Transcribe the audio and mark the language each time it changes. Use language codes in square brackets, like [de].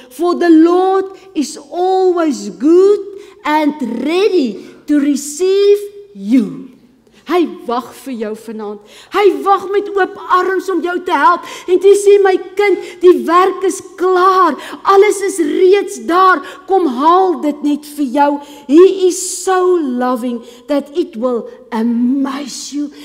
[en] For the Lord is always good and ready to receive you. [af] Hy wag vir jou vanaand. Hy wag met oop arms om jou te help. En jy sê, my kind, die werk is klaar. Alles is reeds daar. Kom, haal dit net vir jou. [en] He is so loving that it will amaze you.